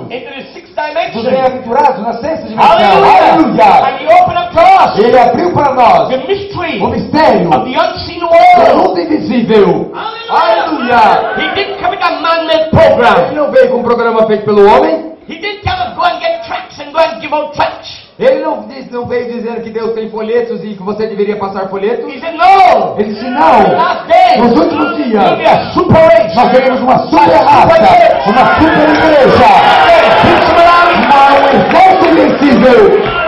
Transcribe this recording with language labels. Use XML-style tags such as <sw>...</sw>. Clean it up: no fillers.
<en>Into the sixth dimension.</en> <pt>Dos bem-aventurados, na sexta dimensão.</pt> <en>Aleluia! And he opened up to us.</en> <pt>Ele abriu para nós.</pt> <en>The mystery.</en> <pt>O mistério.</pt> <en>Of the unseen world.</en> <pt>Do mundo invisível. Aleluia!</pt> <en>He didn't come with a man-made program.</en> <pt>Ele não veio com um programa feito pelo homem.</pt> <en>He didn't tell us go and get tracts and go and give out tracts.</en> <pt>Ele não veio dizer que Deus tem folhetos e que você deveria passar folhetos.</pt> <en>He said no.</en> <pt>Ele disse não. Nos últimos dias. Nós teremos uma super raça, uma super igreja, uma igreja invencível.</pt>